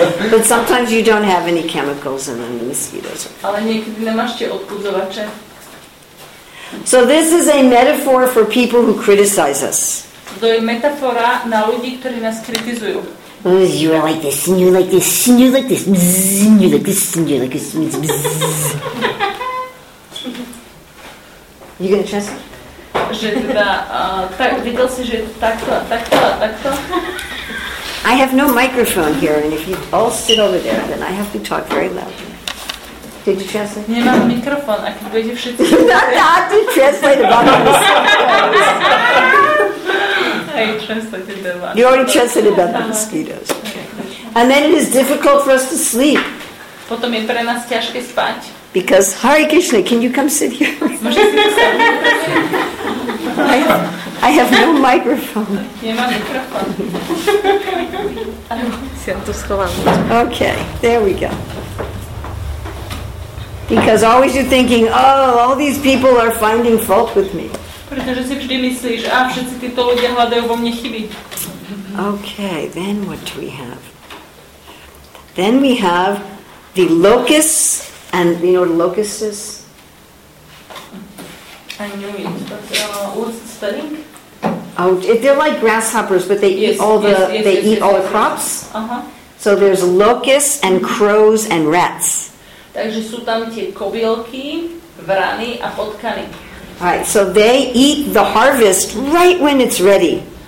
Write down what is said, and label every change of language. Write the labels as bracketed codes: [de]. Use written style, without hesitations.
[en] But sometimes you don't have any chemicals and then the mosquitoes are... [sk] Ale niekedy nemáš tie odpudzovače. [en] So this is a metaphor for people who criticize us. [sk] To je metafora na ľudí, ktorí nás kritizujú. [en] You are like this, and you're like this, and you're like this, and you're like this, and you're like this, and you're like this. You gonna trust me? [sk] Že teda, tak, videl si, že takto, takto, takto. [en] I have no microphone here, and if you all sit over there, then I have to talk very loud. Did you translate? [sk] Nemám mikrofón, ak budete všetci... [en] Not that, did you translate about the mosquitoes? I translated about... You already translated about the mosquitoes. Okay. And then it is difficult for us to sleep. [sk] Potom je pre nás ťažké spať. [en] Because, Hare Krishna, can you come sit here? [sk] Môžete si postaviť? [en] I have no microphone. [sk] Nemám mikrofón. [en] Okay, there we go. Because always you're thinking, oh, all these people are finding fault with me. [sk] Pretože si vždy myslíš, a všetci títo ľudia hľadajú vo mne chyby. [en] Okay, then what do we have? Then we have the locus, and you know what a locus is? I knew it, but what's the spelling? Oh, they're like grasshoppers, but they eat all the crops. Uh-huh. So there's locusts and crows and rats. [sk] Takže sú tam tie kobylky, vrany a potkany. [en] All right, so they eat the harvest right when it's ready.